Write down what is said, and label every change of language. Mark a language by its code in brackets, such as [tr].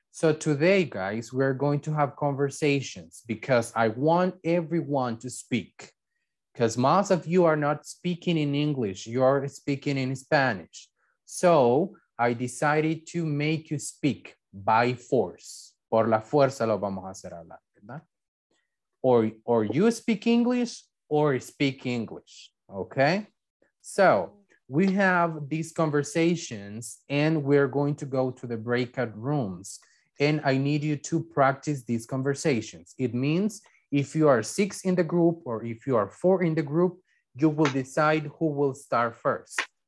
[en] So today, guys, we're going to have conversations because I want everyone to speak. Because most of you are not speaking in English, you are speaking in Spanish. So I decided to make you speak by force. [es] Por la fuerza lo vamos a hacer hablar, ¿verdad? [en] Or you speak English or speak English, okay? So we have these conversations and we're going to go to the breakout rooms. And I need you to practice these conversations. It means if you are six in the group or if you are four in the group, you will decide who will start first.